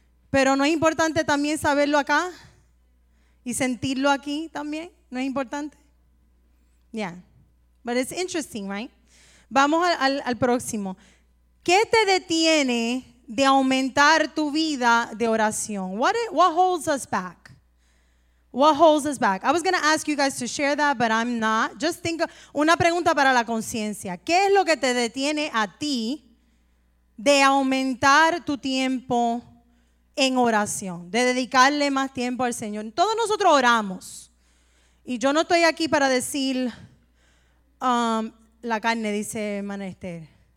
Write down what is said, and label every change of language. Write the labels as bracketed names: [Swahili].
[Spanish] Pero no es importante también saberlo acá y sentirlo aquí también, ¿no es importante? [English] Yeah, but it's interesting, right? [Spanish] Vamos al próximo. ¿Qué te detiene de aumentar tu vida de oración? [English] What holds us back? What holds us back? I was going to ask you guys to share that, but I'm not. Just think, [Spanish] una pregunta para la conciencia. ¿Qué es lo que te detiene a ti de aumentar tu tiempo en oración? De dedicarle más tiempo al Señor. Todos nosotros oramos. Y yo no estoy aquí para decir, la carne, dice hermana Esther.